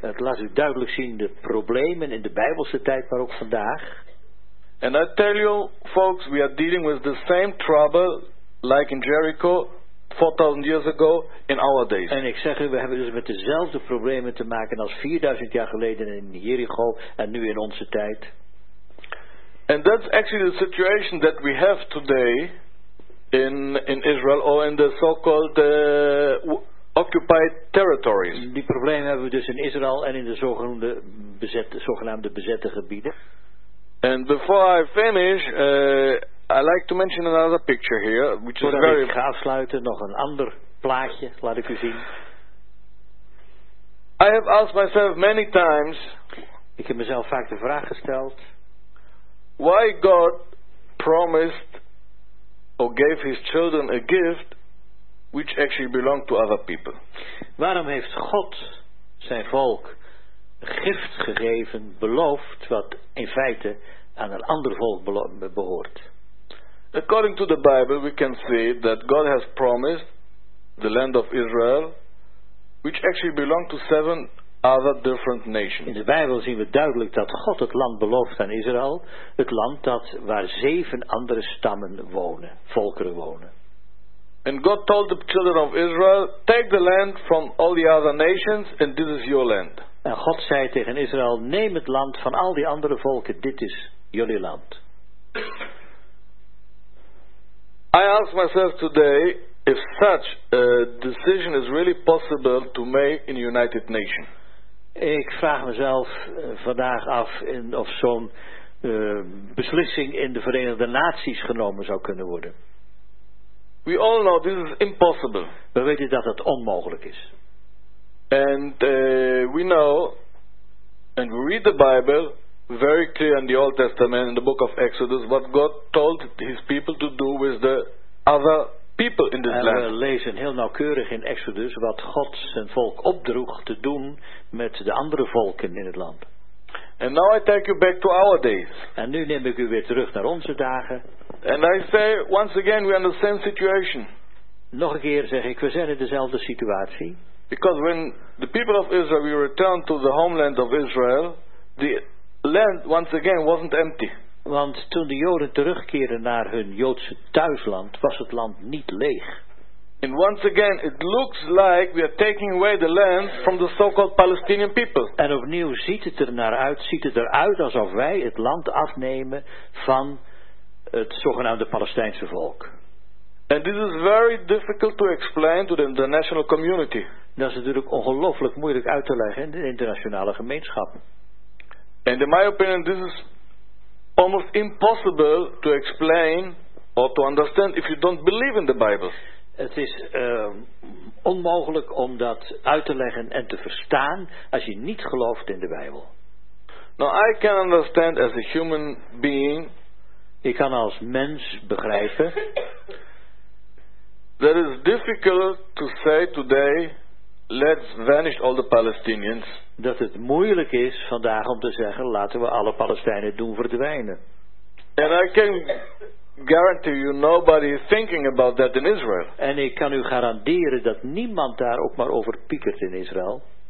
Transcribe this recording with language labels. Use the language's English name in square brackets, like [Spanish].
[Dutch] Het laat u duidelijk zien de problemen in de Bijbelse tijd, maar ook vandaag. [English] And I tell you, folks, we are dealing with the same trouble like in Jericho 4000 years ago in our days. [Dutch] En ik zeg u, we hebben dus met dezelfde problemen te maken als 4000 jaar geleden in Jericho en nu in onze tijd. [English] And that's actually the situation that we have today in Israel or in the so-called occupied territories. [Dutch] Die problemen hebben we dus in Israël en in de zogenaamde bezette gebieden. [English] And before I finish, I like to mention another picture here, which [Dutch] Voordat [English] is very. [Dutch] Ik ga afsluiten nog een ander plaatje, laat ik u zien. [English] I have asked myself many times. [Dutch] Ik heb mezelf vaak de vraag gesteld. [English] Why God promised or gave his children a gift which actually belonged to other people? [Dutch] Waarom heeft God zijn volk gift gegeven, beloofd, wat in feite aan een ander volk behoort? [English] According to the Bible, we can see that God has promised the land of Israel, which actually belonged to seven other different nations. [Dutch] In de Bijbel zien we duidelijk dat God het land belooft aan Israël, het land dat waar zeven andere stammen wonen, volkeren wonen. [English] And God told the children of Israel, take the land from all the other nations, and this is your land. [Dutch] En God zei tegen Israël, neem het land van al die andere volken, dit is jullie land. [English] I ask myself today if such a decision is really possible to make in United Nations. [Dutch] Ik vraag mezelf vandaag af in, of zo'n beslissing in de Verenigde Naties genomen zou kunnen worden. [English] We all know this is impossible. [Dutch] We weten dat het onmogelijk is. [English] And we know and we read the Bible very clear in the Old Testament, in the book of Exodus, what God told his people to do with the other people in this land. [Dutch] We lezen heel nauwkeurig in Exodus wat God zijn volk opdroeg te doen met de andere volken in het land. [English] And now I take you back to our days. [Dutch] En nu neem ik u weer terug naar onze dagen. [English] And I say once again we are in the same situation. [Dutch] Nog een keer zeg ik, we zijn in dezelfde situatie. [English] Because when the people of Israel returned to the homeland of Israel, the land once again wasn't empty. [Dutch] Want toen de Joden terugkeerden naar hun Joodse thuisland, was het land niet leeg. [English] And once again it looks like we are taking away the land from the so-called Palestinian people. [Dutch] En opnieuw ziet het eruit alsof wij het land afnemen van het zogenaamde Palestijnse volk. [English] And this is very difficult to explain to the international community. [Dutch] Dat is natuurlijk ongelooflijk moeilijk uit te leggen in de internationale gemeenschap. [English] And in my opinion this is almost impossible to explain or to understand if you don't believe in the Bible. [Dutch] Het is onmogelijk om dat uit te leggen en te verstaan als je niet gelooft in de Bijbel. [English] Now I can understand as a human being. [Dutch] Ik kan als mens begrijpen. [English] That is difficult to say today. Let's vanish all the Palestinians. [Dutch] Dat het moeilijk is vandaag om te zeggen, laten we alle Palestijnen doen verdwijnen. [English] And I can guarantee you nobody is thinking about that in Israel. [Dutch] En ik kan u garanderen dat niemand daar ook maar over piekert in Israël.